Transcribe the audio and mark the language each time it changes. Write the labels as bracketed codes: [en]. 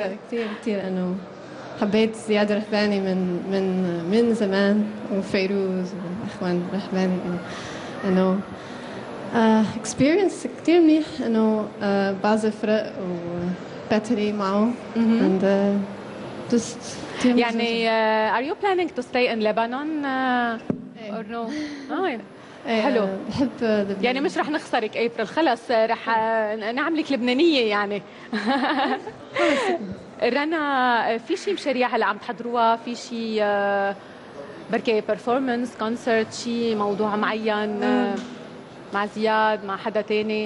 [ar] كتير أنه حبيت زياد رحباني من زمان وفيروز وأخوان رحباني أنه experience كتير منيح أنه بعزف رق وباتري معه [en] and just يعني are you planning to stay in Lebanon or no? [ar] حلو بحب يعني مش رح نخسرك ابريل خلص رح نعملك لبنانيه يعني رنا في شيء مشاريع هلا عم تحضروها في شيء بركي بيرفورمانس كونسرت شيء موضوع معين مع زياد مع حدا تاني